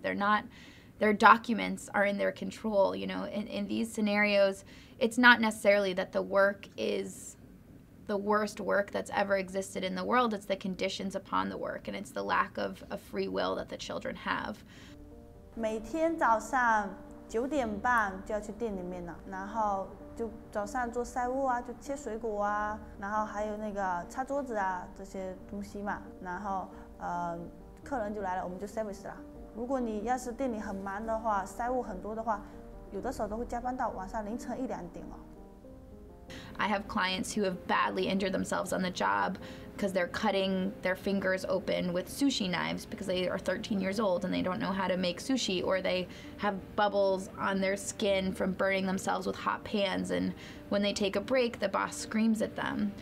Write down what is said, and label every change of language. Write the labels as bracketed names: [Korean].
[English] They're not, their documents are in their control, you know. In these scenarios, it's not necessarily that the work is the worst work that's ever existed in the world. It's the conditions upon the work, and it's the lack of free will that the children have. [Chinese] 每天早上 9点半就要去店里面了，然后就早上做塞物啊，就切水果啊，然后还有那个擦桌子啊这些东西嘛，然后客人就来了，我们就service了。如果你要是店里很忙的话，塞物很多的话，有的时候都会加班到晚上凌晨一两点了。I [English] have clients who have badly injured themselves on the job because they're cutting their fingers open with sushi knives because they are 13 years old and they don't know how to make sushi, or they have bubbles on their skin from burning themselves with hot pans, and when they take a break, the boss screams at them.